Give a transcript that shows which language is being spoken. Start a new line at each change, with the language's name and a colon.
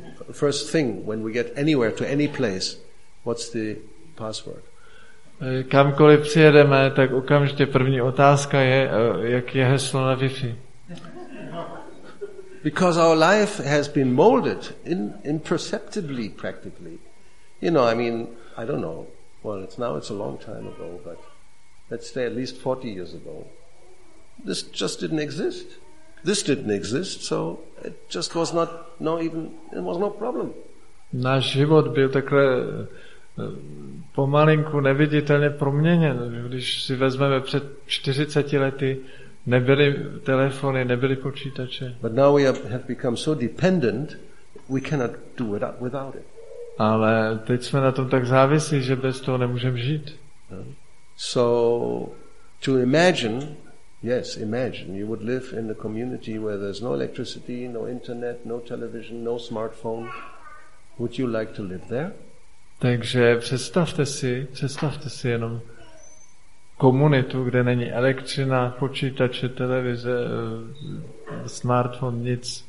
English: First thing when we get anywhere to any place, what's the password?
Czech: Kamkoliv přijedeme, tak okamžitě první otázka je, jak je heslo na Wi-Fi.
English: Because our life has been molded imperceptibly, practically. You know, I mean, I don't know. Well, it's a long time ago, but let's say at least 40 years ago. This just didn't exist. This didn't exist, so it just was not, no even, it was no problem.
Czech: Náš život byl takhle pomalinku neviditelně proměněn. Když si vezmeme před 40 lety, nebyly telefony, nebyly počítače.
English: But now we have become so dependent, we cannot do it without it.
Czech: Ale teď jsme na tom tak závislí, že bez toho nemůžeme žít.
English: So to imagine, yes, imagine you would live in a community where there's no electricity, no internet, no television, no smartphone. Would you like to live there?
Czech: Takže představte si jenom komunitu, kde není elektřina, počítače, televize, smartphone, nic.